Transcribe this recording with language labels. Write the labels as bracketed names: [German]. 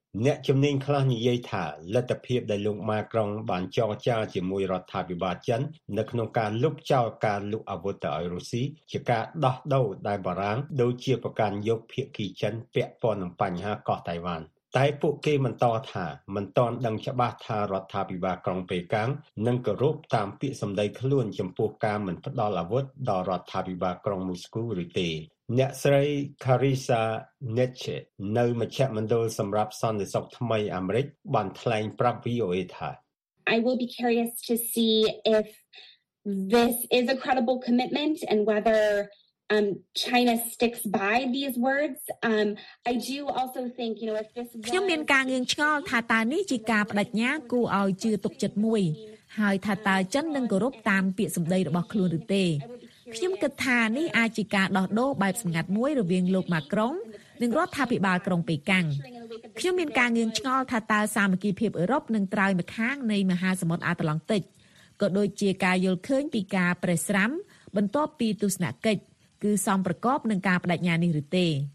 [Khmer] អ្នកជំនាញខ្លះនិយាយថាលទ្ធភាពដែលលោកម៉ាក្រុងបានចរចាជាមួយរដ្ឋាភិបាលចិននៅក្នុងការលុបចោលការលក់អាវុធទៅឲ្យរុស្ស៊ីជាការដោះដូរដែលបារាំងដូចជាប្រកាន់យកភាគីចិនពាក់ព័ន្ធនឹងបញ្ហាកោះតៃវ៉ាន់តែពួកគេបន្តថាមិនទាន់ដឹងច្បាស់ថារដ្ឋាភិបាលក្រុងប៉េកាំង នឹងគោរពតាមពាក្យសម្ដីខ្លួនចំពោះការមិនផ្ដល់អាវុធដល់រដ្ឋាភិបាលក្រុងមូស្គូឬទេអ្នកស្រីខារីសាណេឆេនៅមជ្ឈមណ្ឌលសម្រាប់សន្តិសុខថ្មីអាមេរិកបានថ្លែងប្រាប់ VOA ថា [English] I will be curious to see if this is a credible commitment and whetherChina sticks by these words. I do also think, you know, if this [Khmer] ខ្ញុំមានការងឿងឆ្ងល់ថាតើនេះជាការបដិញ្ញាគួរឲ្យជឿទុកចិត្តមួយហើយថាតើចិននឹងគោរពតាមពាក្យសម្ដីរបស់ខ្លួនឬទេខ្ញុំគិតថានេះអាចជាការដោះដូរបែបសម្ងាត់មួយរវាងលោកម៉ាក្រុងនិងរដ្ឋាភិបាលក្រុងប៉េកាំងខ្ញុំមានការងឿងឆ្ងល់ថាតើសាមគ្គីភាពអឺរ៉ុបនឹងត្រូវម្ខាងនៃមហាសមុទ្រអាត្លង់តិកក៏ដូចជាការយល់ឃើញពីការប្រេះស្រាំបន្ទាប់ពីទស្សនកិច្ចគឺសំប្រកបនឹងការបដិញ្ញានេះឬទេ